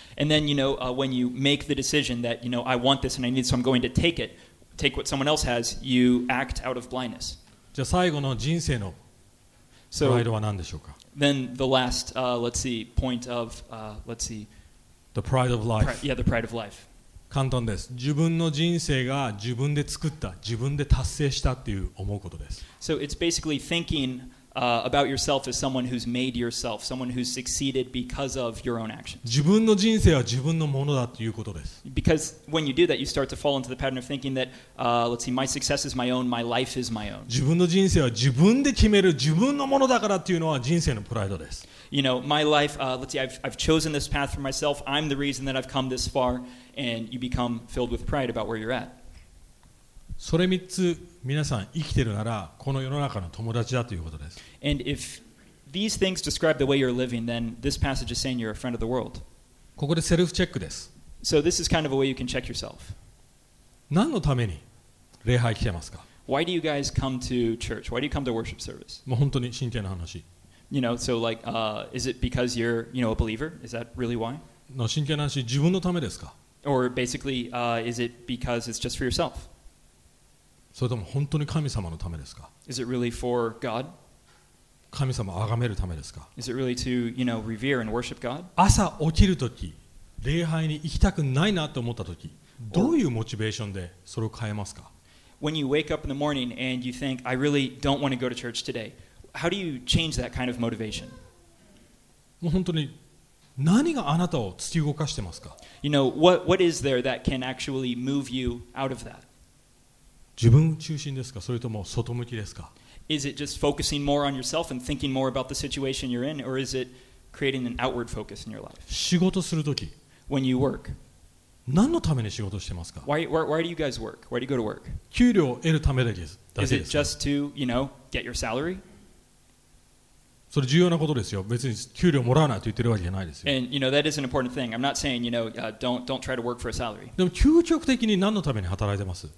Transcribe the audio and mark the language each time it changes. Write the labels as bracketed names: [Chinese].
[English] And then you know when you make the decision that you know I want this and I need so I'm going to take it,Take what someone else has, you act out of blindness. [Japanese] じゃあ最後の人生のプライドは何でしょうか? [English] Then the last, let's see, point of, let's see. The pride of life. Yeah, the pride of life. [Japanese] 簡単です。自分の人生が自分で作った、自分で達成したっていう思うことです。 [English] So it's basically thinking, about yourself as someone who's made yourself, someone who's succeeded because of your own actions. [Japanese] 自分の人生は自分のものだということです。 [English] Because when you do that, you start to fall into the pattern of thinking that, let's see, my success is my own, my life is my own. [Japanese] 自分の人生は自分で決める自分のものだからっていうのは人生のプライドです。 [English] You know, my life, let's see, I've chosen this path for myself. I'm the reason that I've come this far, and you become filled with pride about where you're at. [Japanese] それ3つ皆さん生きてるならこの世の中の友達だということです。 [English] And if these things describe the way you're living, then this passage is saying you're a friend of the world. [Japanese] ここでセルフチェックです。 [English] So this is kind of a way you can check yourself. [Japanese] 何のために礼拝来てますか? [English] Why do you guys come to church? Why do you come to worship service? [Japanese] もう本当に真剣な話。 [English] You know, so like, is it because you're, you know, a believer? Is that really why? [Japanese] の真剣な話、自分のためですか? [English] Or basically, is it because it's just for yourself? [Japanese] それとも本当に神様のためですか? [English] Is it really for God? [Japanese] 神様を崇めるためですか? [English] Is it really to, you know, revere and worship God? [Japanese] 朝起きるとき、礼拝に行きたくないなと思ったとき、どういうモチベーションでそれを変えますか? [English] When you wake up in the morning and you think, I really don't want to go to church today, how do you change that kind of motivation? [Japanese] もう本当に何があなたを突き動かしてますか? [English] You know, what is there that can actually move you out of that? [Japanese] 自分中心ですか、それとも外向きですか。 [English] Is it just focusing more on yourself and thinking more about the situation you're in, or is it creating an outward focus in your life? [Japanese] 仕事するとき、 [English] when you work, [Japanese] 何のために仕事してますか。 [English] Why do you guys work? Why do you go to work? [Japanese] 給料を得るためだけですか。 [English] Is it just to, you know, get your salary? [Japanese] それ重要なことですよ。別に給料もらわないと言ってるわけじゃないですよ。 [English] And you know that is an important thing. I'm not saying you know don't try to work for a salary. [Japanese] でも究極的に何のために働いてます?